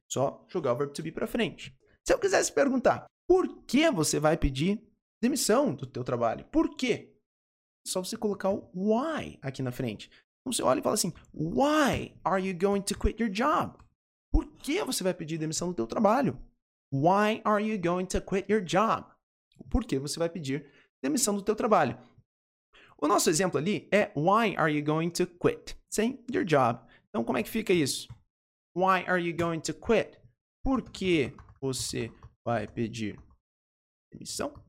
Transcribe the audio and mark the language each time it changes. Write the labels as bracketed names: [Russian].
[Portuguese] Só jogar o verbo to be para frente. Se eu quisesse perguntar, por que você vai pedir demissão do teu trabalho? Por quê? Só você colocar o why aqui na frente. Então você olha e fala assim, [English] why are you going to quit your job? [Portuguese] Por que você vai pedir demissão do teu trabalho? [English] Why are you going to quit your job? [Portuguese] Por que você vai pedir demissão do teu trabalho? O nosso exemplo ali é [English] why are you going to quit? Sem your job. [Portuguese] Então, como é que fica isso? [English] Why are you going to quit? [Portuguese] Por que você vai pedir demissão?